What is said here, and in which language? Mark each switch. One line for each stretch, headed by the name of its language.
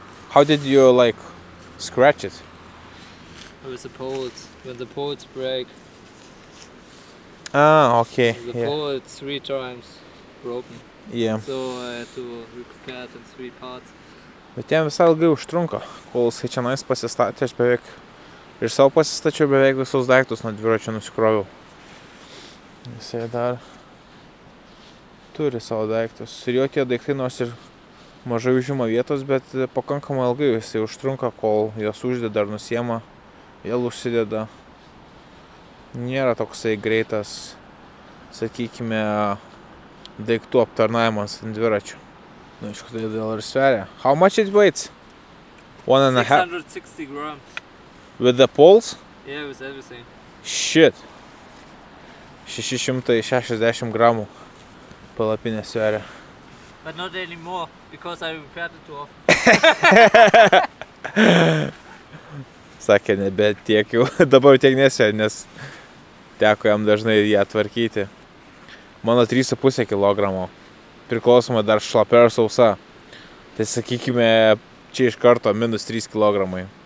English: How did you like scratch it? With the poles, when the poles break. Ah, okay. So the pole is three times broken. Yeah. So I had to repair it in three parts.
Lithuanian: Bet jam visai ilgai užtrunka, kol jisai čia nais pasistatė, aš beveik ir savo pasistačiau beveik visus daiktus nuo dviračio nusikroviau. Jisai dar turi savo daiktus. Ir jo tie daiktai nors ir mažai užima vietos, bet pakankamai ilgai jisai užtrunka, kol jos uždeda ar nusiema, vėl užsideda. Nėra toksai greitas, sakykime, daiktų aptarnavimas ant dviračio. Nu, iš kodėl dėl ir sveria.
English: How much it weighs? 160 grams. With the poles? Yeah, with everything.
Lithuanian: Shit. 660 gramų palapinė sveria.
English: But not anymore, because I repaired it too often.
Lithuanian: Sakė, nebet tiek jau, dabar tiek nesveria, nes teko jam dažnai jį atvarkyti. Mano 3,5 kilogramo. Priklausoma dar šlapia ar sausa. Tai sakykime, čia iš karto minus 3 kilogramai.